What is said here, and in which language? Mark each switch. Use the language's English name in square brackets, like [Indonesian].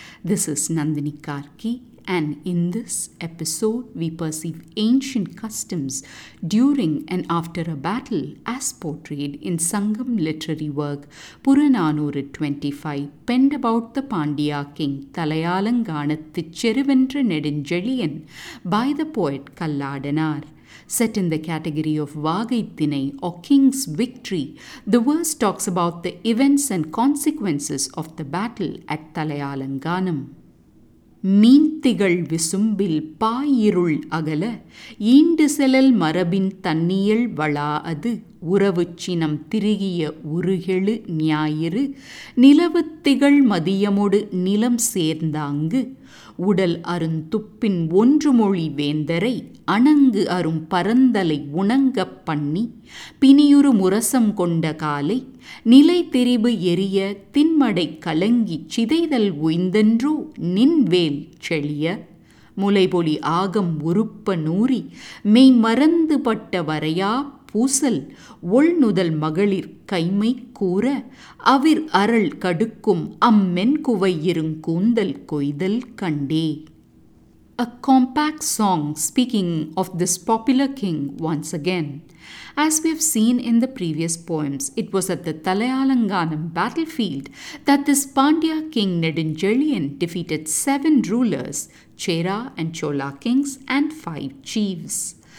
[English] This is Nandini Karki, and in this episode we perceive ancient customs during and after a battle as portrayed in Sangam literary work Puranaanoru 25 penned about the Pandya king Thalaiyalanganathu Cheruvendra Nedunjeliyan by the poet Kalladanar. Set in the category of Vagaithinai or King's Victory, the verse talks about the events and consequences of the battle at Thalaiyalanganam. [Tamil] Meenthigal visumbil paayirul agala, eendiselal marabin thanniyal valaadu, uravuchinam thirugiya uruhelu nyayiru, nilavuthigal madiyamodu nilam sernthaangu, உடல் அருந் துப்பின் ஒன்றுமொழி வேந்தரை அணங்கு அரும் பரந்தலை உணங்கப் பண்ணி பிணியுறு முரசம் கொண்ட காலை நிலை தெரிவு எரிய தின்மடை கலங்கி சிதைதல் உய்ந்தென்றோ நின்வேல் செழிய முலைபொலி ஆகம் உருப்ப நூறி மெய் மறந்துபட்ட வரையா பூசல் ஒள்நுதல் மகளிர் கைமை கூற அவிர் அருள் கடுக்கும் அம்மென்குவையிருங் கூந்தல் கொய்தல் கண்டே. [English] A compact song speaking of this popular king once again. As we have seen in the previous poems, it was at the Thalaiyalanganam battlefield that this Pandya king Nedunjeliyan defeated 7 rulers, Chera and Chola kings and 5 chiefs.